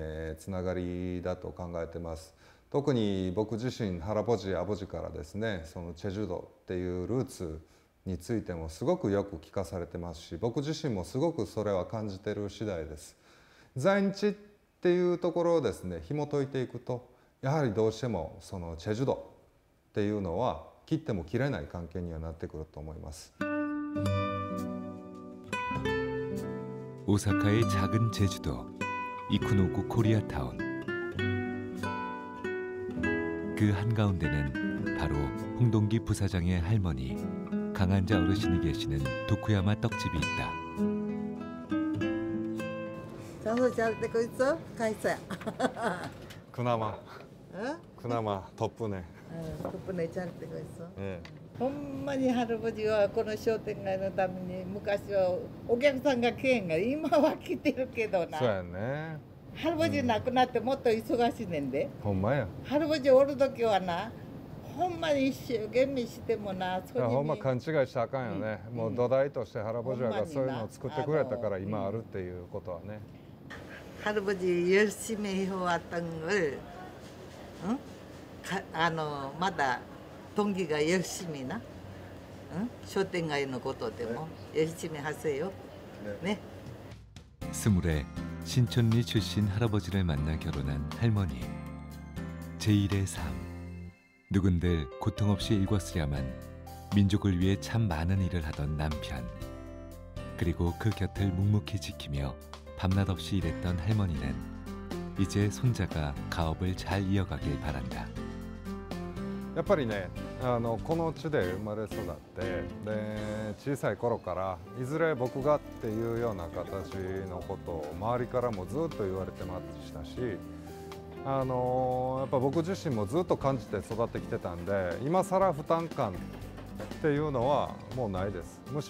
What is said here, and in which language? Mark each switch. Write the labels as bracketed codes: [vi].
[ja] うちとその제주도っていうのはすごく縁のある、常にやっぱり相互の関係があるっていうようなつながりだと考えてます。特に僕自身、原母父、あぼじからですね、その제주도っていうルーツについてもすごくよく聞かされてますし、僕自身もすごくそれは感じてる次第です。在日っていうところをですね、紐解いていくと、やはりどうしてもその제주도っていうのは切っても切れない関係にはなってくると思います。大阪 [ko] 의 작은 제주도, 이쿠노쿠 코리아타운. 그 한가운데는 바로 홍동기 부사장의 할머니 강한자 어르신이 계시는 도쿠야마 떡집이 있다. 장소 잘 되고 있어? 가 있어요. 그나마. 그나마 덕분에. 덕분에 잘 되고 있어. 예. [ja] 本当に [ko] 할아버지와 [ja] この商店街のために昔はお客さんが来へんが今は来てるけどな。そうやね。 [ko] 할아버지 [ja] 亡くなってもっと忙しいねんで。ほんまや。할아버지おる時はな、ほんまに一生懸命してもな、そういう。ほんま勘違いしたあかんよね。もう土台として할아버지がそういうのを作ってくれたから今あるっていうことはね。 [ko] 할아버지열심히해왔던걸、 [ja] あのまだ [ko] 동기가 열심히나 [ja] 商店街のことでも [ko] 열심히 하세요. 네. 스물에 신촌리 출신 할아버지를 만나 결혼한 할머니. 제1의 삶. 누군들 고통 없이 일궜으려만 민족을 위해 참 많은 일을 하던 남편. 그리고 그 곁을 묵묵히 지키며 밤낮 없이 일했던 할머니는 이제 손자가 가업을 잘 이어가길 바란다. [ja] やっぱりね、あのこの地で生まれ育ってで小さい頃からいずれ僕がっていうような形のことを周りからもずっと言われてましたし、あのやっぱ僕自身もずっと感じて育ってきてたんで、今更負担感っていうのはもうないです。